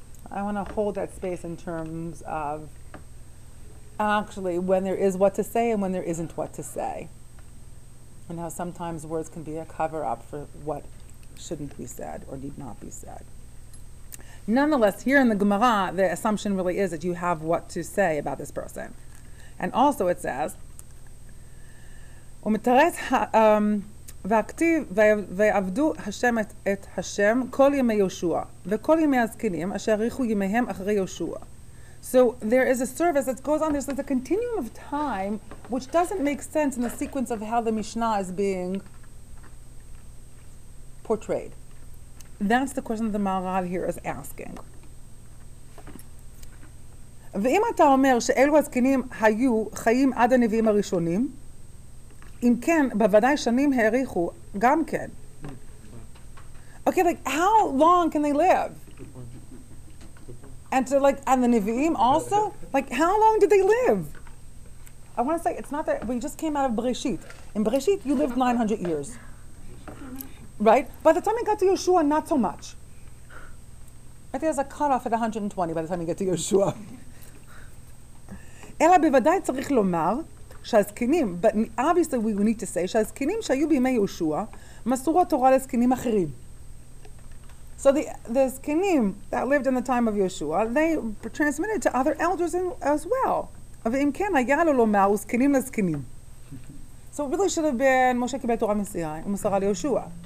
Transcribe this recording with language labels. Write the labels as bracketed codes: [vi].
[en] I want to hold that space in terms of actually when there is what to say and when there isn't what to say, and how sometimes words can be a cover up for what shouldn't be said or need not be said. Nonetheless, here in the Gemara, the assumption really is that you have what to say about this person. And also it says, [he] ומתרץ והכתיב ויעבדו השם את השם כל ימי יהושע וכל ימי הזקנים אשר אריכו ימיהם אחרי יהושע. [en] So there is a service that goes on. There's a continuum of time which doesn't make sense in the sequence of how the Mishnah is being portrayed. That's the question the Maharal here is asking. [he] ואם אתה אומר שאלו הזקנים היו חיים עד הנביאים הראשונים, אם כן, בוודאי שנים האריכו גם כן. [en] Okay, like, how long can they live? And to like, and the Nevi'im also? Like, how long did they live? I want to say, it's not that, we just came out of Bereshit. In Bereshit, you lived 900 years. Right? By the time you got to Yeshua, not so much. I think there's a cutoff at 120 by the time you get to Yeshua. [he] אלא בוודאי צריך לומר שהזקנים, [en] but obviously we need to say, [he] שהזקנים שהיו בימי יהושע, מסרו התורה לזקנים אחרים. [en] So the זקנים that lived in the time of Yeshua, they transmitted to other elders as well. [he] ואם כן, היה לו לומר, הוא זקנים לזקנים. [en] So really should have been, [he] משה קיבל תורה מסיני, ומסרה ליהושע.